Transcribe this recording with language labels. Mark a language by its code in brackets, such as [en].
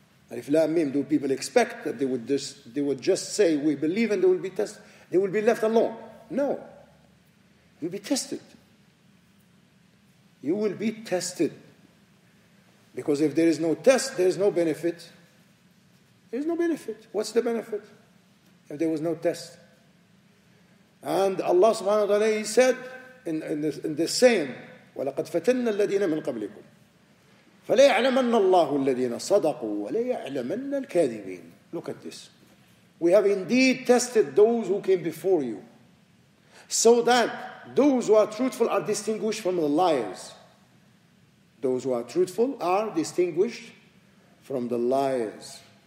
[en] Alif Lam Mim, do people expect that they would just say, we believe and they will be left alone? No. You'll be tested. You will be tested. Because if there is no test, there is no benefit. There is no benefit. What's the benefit if there was no test? And Allah subhanahu wa ta'ala, he said in the same, [ar] وَلَقَدْ فَتَنَّ الَّذِينَ مِنْ قَبْلِكُمْ فَلَيَعْلَمَنَّ اللَّهُ الَّذِينَ صَدَقُوا وَلَيَعْلَمَنَّ الْكَاذِبِينَ. [en] Look at this. We have indeed tested those who came before you, so that those who are truthful are distinguished from the liars. Those who are truthful are distinguished from the liars.